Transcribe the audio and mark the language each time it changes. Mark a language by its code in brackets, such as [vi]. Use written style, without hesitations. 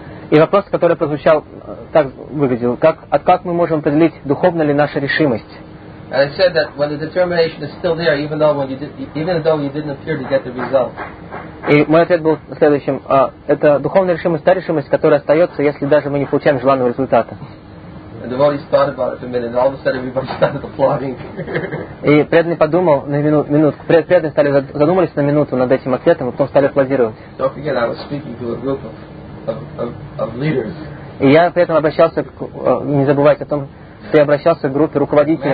[ru] И вопрос, который прозвучал, так выглядел, как мы можем определить, духовна ли наша решимость? [en] And I said that when the determination is still there, even though you didn't appear to get the result. [ru] И мой ответ был следующим: это духовная решимость, та решимость, которая остается, если даже мы не получаем желанного результата. [en] And the devotees thought about it for a minute, and all of a sudden everybody started applauding. [ru] И преданный подумал на минутку. Преданные стали задумались на минуту над этим ответом, и потом стали аплодировать. [en] Don't forget, I was speaking to a group of leaders. [ru] И я при этом обращался к, не забывайте о том. Ты обращался к группе руководителей Manager.